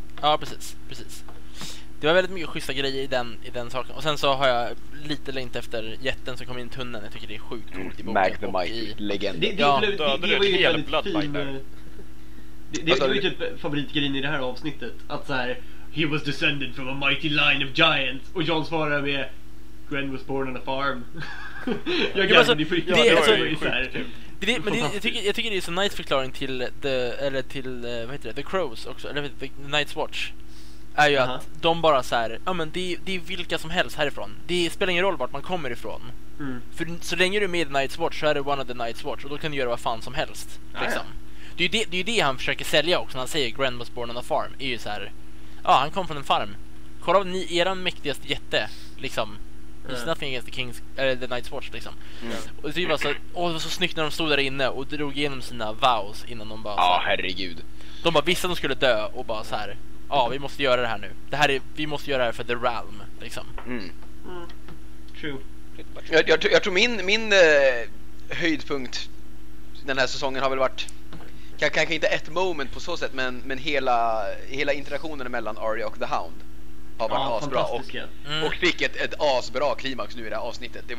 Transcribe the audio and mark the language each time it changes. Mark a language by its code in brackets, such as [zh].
[sv] Ja, precis. Det var väldigt mycket schyssta grejer i den saken. Och sen så har jag lite längt efter jätten som kom in i tunneln. Jag tycker det är sjukt coolt i boken. Magnemite, legend. Det var ju typ favoritgrejen i det här avsnittet. Att så här, [en] he was descended from a mighty line of giants. [sv] Och John svarar med, [en] Gren was born on a farm. [sv] Jag gärna, ni får inte göra det. Men jag tycker det är så nice förklaring till the, eller till, vad heter det, The Crows också, eller The Night's Watch. Är ju att de bara så här, ja men det är vilka som helst härifrån. Det spelar ingen roll vart man kommer ifrån. Mm. För så länge du är med i Night's Watch så är det [en] one of the Night's Watch. [sv] Och då kan du göra vad fan som helst liksom. Det är ju det han försöker sälja också. När han säger [en] Grand was born on a farm, [sv] är ju så här, ja han kom från en farm. Kolla av ni, eran mäktigaste jätte liksom. [en] It's nothing against the kings, eller the Night's Watch liksom. [sv] Och det var så, åh, det var så snyggt när de stod där inne och drog igenom sina vows innan de bara, ja herregud. De bara visste att de skulle dö och bara så här, ja vi måste göra det här nu. Det här är, vi måste göra det här för the realm liksom. Mm. [en] True. [sv] Jag tror min höjdpunkt den här säsongen har väl varit kanske inte ett moment på så sätt, men hela interaktionen mellan Arya och The Hound har varit asbra och fick ett asbra klimax nu i det här avsnittet.